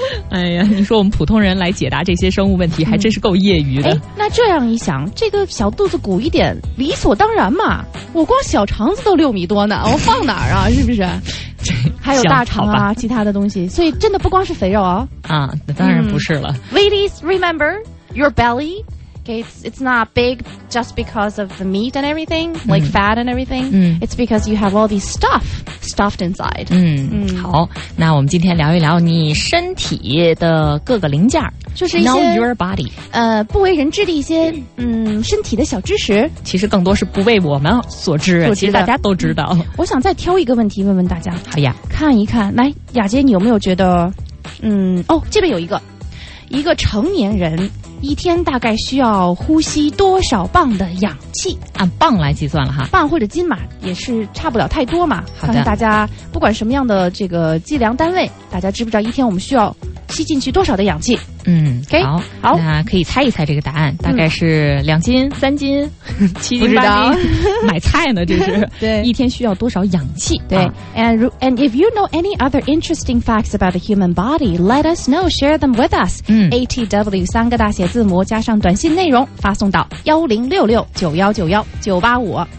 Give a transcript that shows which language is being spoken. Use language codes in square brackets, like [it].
[zh] 哎呀，你说我们普通人来解答这些生物问题还真是够业余的。那这样一想，这个小肚子鼓一点理所当然嘛，我光小肠子都六米多呢，我放哪儿啊，是不是？还有大肠啊其他的东西，所以真的不光是肥肉啊。啊，那当然不是了。 [en] Ladies, remember your bellyOkay, it's not big just because of the meat and everything, like fat and everything. It's because you have all these stuffed inside. [zh] 好，那我们今天聊一聊你身体的各个零件，就是一些 [en] Know your body. [zh] 不为人知的一些身体的小知识。其实更多是不为我们所知，其实大家都知道。我想再挑一个问题问问大家。好呀，看一看，来，雅洁，你有没有觉得，这边有一个，一个成年人。一天大概需要呼吸多少磅的氧气？按磅来计算了哈，磅或者斤嘛，也是差不了太多嘛。好的，看看大家不管什么样的这个计量单位，大家知不知道一天我们需要吸进去多少的氧气？ Okay? 好，好，那可以猜一猜这个答案，大概是2斤、3斤、7斤、8斤，买菜呢，这是。对，一天需要多少氧气？对、， [en] and if you know any other interesting facts about the human body, let us know, share them with us. [zh] ATW 三个大写字母加上短信内容发送到10669191985。